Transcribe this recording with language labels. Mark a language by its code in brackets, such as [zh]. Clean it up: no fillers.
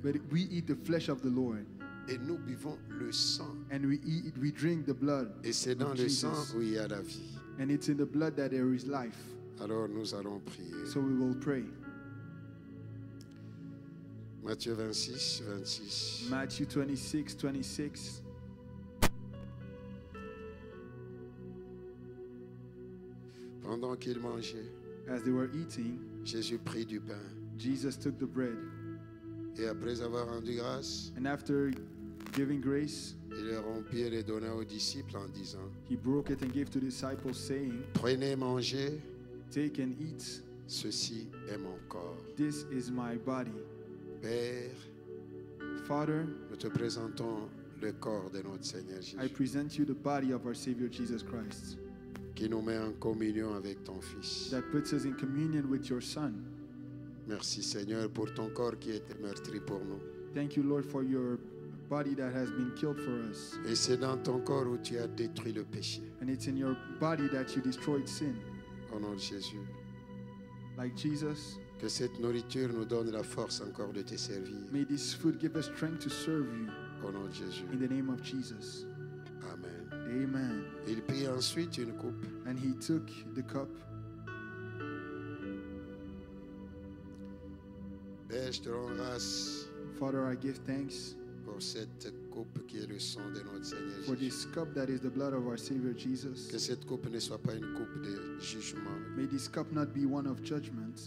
[en] But we eat the flesh of the Lord. [fr] Et nous buvons le sang. [en] And we drink the blood. [fr] Et c'est dans [en] of [fr] le [en] Jesus. [fr] Sang où il y a la vie. [en] And it's in the blood that there is life. [fr] Alors nous allons prier. [en] So we will pray. [fr] Matthieu 26, 26. [en] Matthew 26, 26. [fr] Pendant qu'ils mangeaient, [en] as they were eating, [fr] Jésus prit du pain. [en] Jesus took the bread. [fr] Et après avoir rendu grâce, [en] and after giving grace, [fr] il le rompit et le donna aux disciples en disant, [en] he broke it and gave to the disciples saying, [fr] prenez, mangez, [en] take and eat, [fr] ceci est mon corps. [en] This is my body. [fr] Père, [en] Father, [fr] nous te présentons le corps de notre Seigneur Jésus. [en] I present you the body of our Savior Jesus Christ. [fr] Qui nous met en communion avec ton Fils. [en] That puts us in communion with your Son. [fr] Merci Seigneur pour ton corps qui a été meurtri pour nous. [en] Thank you Lord for your body that has been killed for us. [fr] Et c'est dans ton corps où tu as détruit le péché. [en] And it's in your body that you destroyed sin. [fr] Au nom de Jésus. [en] Like Jesus. [fr] Que cette nourriture nous donne la force encore de te servir. [en] May this food give us strength to serve you. [fr] Au nom de Jésus. [en] In the name of Jesus. [fr] Amen. [en] Amen. [fr] Il prit ensuite une coupe. [en] And he took the cup. [fr] Père, je te rends grâce. [en] Father, I give thanks. [fr] Pour cette coupe qui est le sang de notre Seigneur Jésus. [en] For this cup that is the blood of our Savior Jesus. [fr] Que cette coupe ne soit pas une coupe de jugement. [en] May this cup not be one of judgment.